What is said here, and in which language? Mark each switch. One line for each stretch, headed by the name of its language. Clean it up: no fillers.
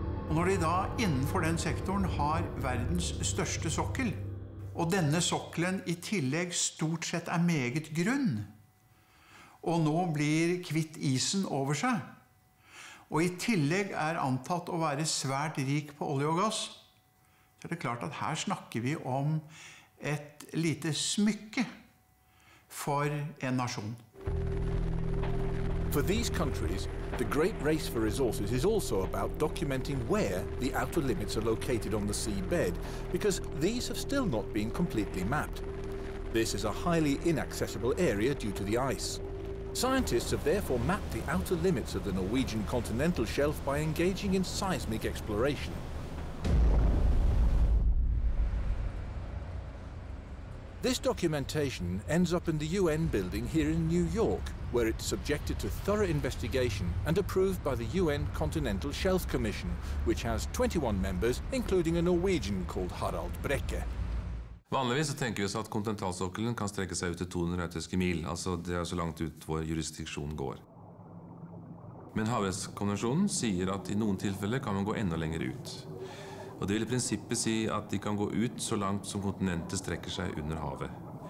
Norwegian: Og når de da innenfor den sektoren har verdens største sokkel, og denne sokkelen I tillegg stort sett meget grunn, og nå blir kvitt isen over seg, og I tillegg antatt å være svært rik på olje og gass, så det klart at her snakker vi om et lite smykke for en nasjon.
English: For these countries, the great race for resources is also about documenting where the outer limits are located on the seabed, because these have still not been completely mapped. This is a highly inaccessible area due to the ice. Scientists have therefore mapped the outer limits of the Norwegian continental shelf by engaging in seismic exploration. This documentation ends up in the UN building here in New York, where it's subjected to thorough investigation and approved by the UN Continental Shelf Commission, which has 21 members, including a Norwegian called Harald Brekke.
Norwegian: Vanligvis så tenker vi oss at kontinentalsokkelen kan strekke seg ut til 200 nautiske mil, altså det så langt ut vår jurisdiksjon går. Men Havrettskonvensjonen sier at I noen tilfeller kan man gå enda lenger ut. Og det vil I prinsippet si at de kan gå ut så langt som kontinentet strekker seg under havet.